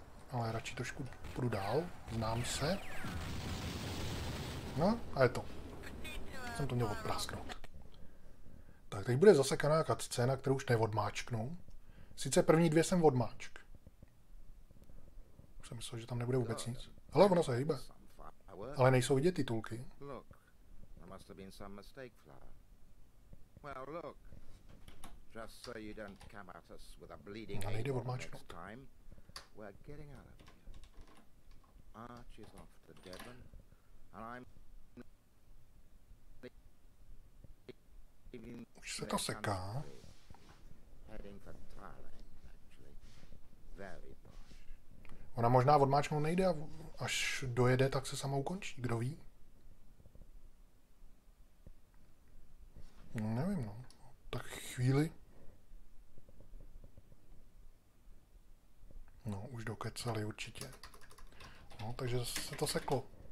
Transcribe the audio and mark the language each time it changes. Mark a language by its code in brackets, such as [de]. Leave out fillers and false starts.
[cs] Ale radši trošku půjdu dál. Znám se. No a je to. Jsem to měl odprásknout. Tak teď bude zasekaná cutscéna, kterou už neodmáčknu. Sice první dvě jsem odmáčk. Už jsem myslel, že tam nebude vůbec nic. Hele, ona se hýbe. Ale nejsou vidět titulky. [en] Must have been some mistake, Flora. Well, look. Just so you don't come at us with a bleeding eye next time, we're getting out of here. Arch is off to Devon, and I'm leaving the country, heading for Thailand, actually. Very posh. [cs] Ona možná odmáčknout nejde a až dojede, tak se sama ukončí. Kdo ví? Nevím, no. Tak chvíli. No, už dokecali určitě. No, takže se to seklo.